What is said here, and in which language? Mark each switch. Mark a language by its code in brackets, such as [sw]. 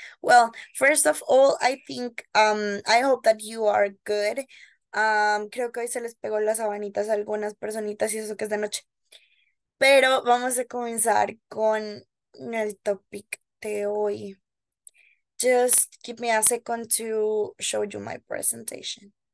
[en] Well, first of all, I think I hope that you are good. [es] Creo que hoy se les pegó las sabanitas a algunas personitas y eso que es de noche. Pero vamos a comenzar con el topic de hoy. [en] Just give me a second to show you my presentation.